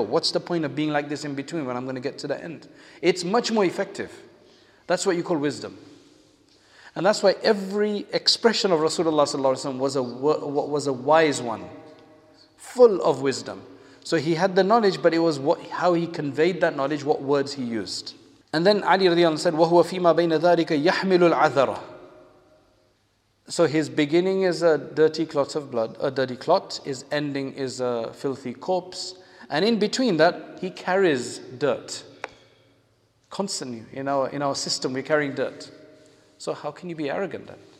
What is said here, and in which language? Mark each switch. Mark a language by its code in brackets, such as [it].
[en] What's the point of being like this in between when I'm going to get to the end? It's much more effective. That's what you call wisdom. And that's why every expression of Rasulullah sallallahu alaihi wasallam was a wise one, full of wisdom. So he had the knowledge, but it was how he conveyed that knowledge, what words he used. And then Ali radiallahu anhu said, [ar] وَهُوَ فِي مَا بَيْنَ ذَٰلِكَ يَحْمِلُ الْعَذَرَ. [en] So his beginning is a dirty clot of blood, a dirty clot. His ending is a filthy corpse. And in between that, he carries dirt. Constantly, in our system, we're carrying dirt. So how can you be arrogant then?